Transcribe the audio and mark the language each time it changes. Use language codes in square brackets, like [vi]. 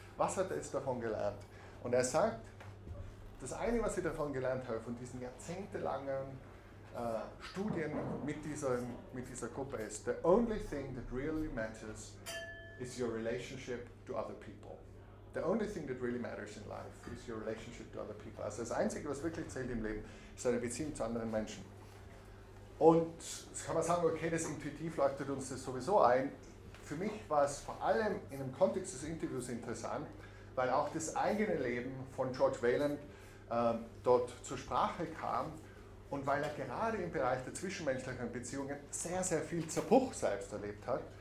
[de] Was hat er jetzt davon gelernt? Und er sagt, das eine, was ich davon gelernt habe, von diesen jahrzehntelangen Studien mit dieser Gruppe ist, [en] the only thing that really matters is your relationship to other people. The only thing that really matters in life is your relationship to other people. [de] Also das Einzige, was wirklich zählt im Leben, ist eine Beziehung zu anderen Menschen. Und jetzt kann man sagen, okay, das intuitiv leuchtet uns das sowieso ein. Für mich war es vor allem in dem Kontext des Interviews interessant, weil auch das eigene Leben von George Weiland dort zur Sprache kam und weil er gerade im Bereich der zwischenmenschlichen Beziehungen sehr, sehr viel Zerbruch selbst erlebt hat.